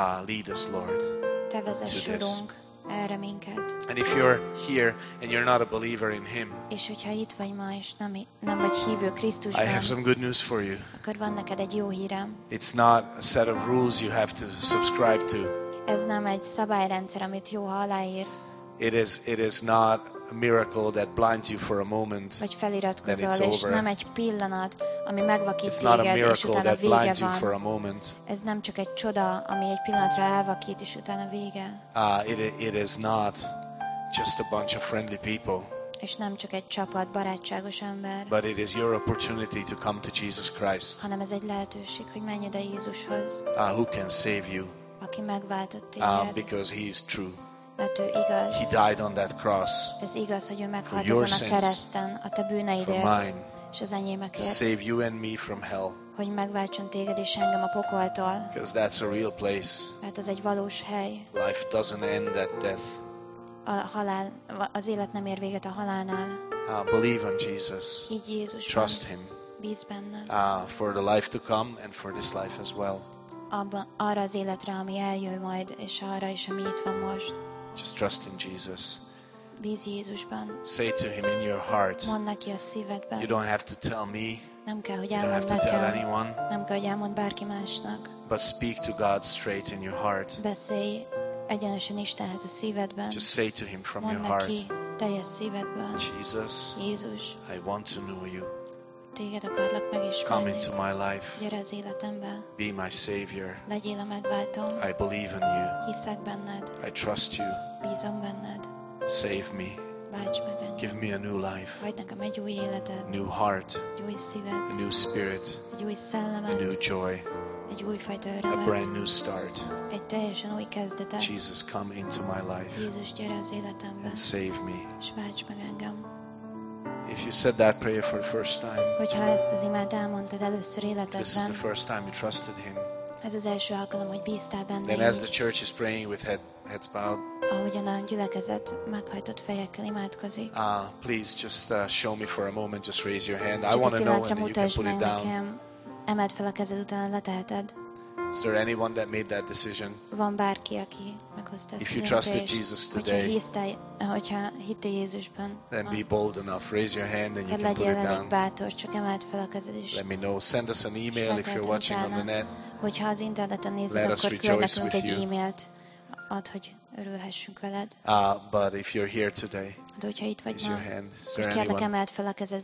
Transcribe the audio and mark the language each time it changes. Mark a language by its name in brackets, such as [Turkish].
[English] Lead us, Lord. [Hungarian] Te vezess, Urunk, erre minket. [English] And if you're here and you're not a believer in him. [Hungarian] És hogyha itt vagy ma és nem vagy hívő Krisztusban. [English] I have some good news for you. [Hungarian] Akkor van neked egy jó hírem. [English] It's not a set of rules you have to subscribe to. [Hungarian] Ez nem egy szabályrendszer, amit jó ha aláírsz. [English] It is not a miracle that blinds you for a moment. [Hungarian] Vagy feliratkozol, és nem egy pillanat, ami megvakít [English] it's [Hungarian] téged, [English] not a miracle that blinds [Hungarian] van. [English] You for a moment. [Hungarian] Ez nem csak egy csoda, ami egy pillanatra elvakít, és utána vége. [English] It is not just a bunch of friendly people. [Hungarian] És nem csak egy csapat barátságos ember. [English] But it is your opportunity to come to Jesus Christ. [Hungarian] Hanem ez egy lehetőség, hogy menj ide Jézushoz. [English] Ah, who can save you? [Hungarian] Aki megváltott téged. Ah, [English] because he is true. [Hungarian] Mert ő igaz. [English] He died on that cross. [Hungarian] Ez igaz, hogy ő meghalt azon a kereszten, a te bűneidért. [English] For mine. [Hungarian] És az enyémekért. [English] To save you and me from hell. [Hungarian] Hogy megváltson téged és engem a pokoltól. [English] Because that's a real place. [Hungarian] Mert az egy valós hely. [English] Life doesn't end at death. [Hungarian] A halál, az élet nem ér véget a halálnál. [English] Ah, believe on Jesus. [Hungarian] Higgy Jézusban. [English] Trust him. [Hungarian] Bíz benne. [English] Ah, for the life to come and for this life as well. [Hungarian] Arra az életre, ami eljön majd, és arra is, ami itt van most. [English] Just trust in Jesus. [Hungarian] Bíz Jézusban. [English] Say to him in your heart. [Hungarian] Mondd neki a szívedben. [English] You don't have to tell me. [Hungarian] Nem kell, hogy elmondd nekem. [English] You don't have to tell anyone. [Hungarian] Nem kell, hogy elmondd bárki másnak. [English] But speak to God straight in your heart. [Hungarian] Beszélj egyenesen Istenhez a szívedben. [English] Just say to him from [Hungarian] mondd [English] your heart. [Hungarian] Mondd neki teljes szívedben. [English] Jesus. [Hungarian] Jézus. [English] I want to know you. [Hungarian] Téged akarlak megismerni. [English] Come into my life. [Hungarian] Gyere az életembe. [English] Be my savior. [Hungarian] Legyél a megváltóm. [English] I believe in you. [Hungarian] Hiszek benned. [English] I trust you. [Hungarian] Bízom benned. [English] Save me. [Hungarian] Válts meg engem. [English] Give me a new life. [Hungarian] Adj nekem egy új életet. [English] New heart. [Hungarian] Egy új szívet. [English] A new spirit. [Hungarian] Egy új szellemet. [English] A new joy. [Hungarian] Egy új fajta örömet. [English] A brand new start. [Hungarian] Egy teljesen új kezdetet. [English] Jesus, come into my life. [Hungarian] Jézus, gyere az életembe. [English] And save me. [Hungarian] És válts meg engem. [English] If you said that prayer for the first time, [Hungarian] hogyha ezt az imád elmondtad először életedben, [English] this is the first time you trusted him. [Hungarian] Ez az első alkalom, hogy bíztál benne. [English] Then as the church is praying with heads bowed, [Hungarian] ahogyan a gyülekezet meghajtott fejekkel imádkozik. [English] Ah, please just show me for a moment, just raise your hand. I want to know and then you can put it down. [Hungarian] Emeld fel a kezed, utána leteheted. [English] Is there anyone that made that decision? [Hungarian] Van bárki, aki meghozta ezt. [English] If you trusted Jesus today, [Hungarian] hogyha hitte Jézusban, [English] then be bold enough. Raise your hand and you can put it down. [Hungarian] Bátor, csak emeld fel a kezed is. [English] Let me know. Send us an email if you're watching on the net. [Hungarian] Hogyha az interneten nézed, akkor küldjünk egy e-mailt. Add, hogy örülhessünk veled. [English] But if you're here today, [Hungarian] de hogyha itt vagy [English] raise [Hungarian] ma, [English] your hand. Is there anyone? [Hungarian] Kérlek, emeld fel a kezed.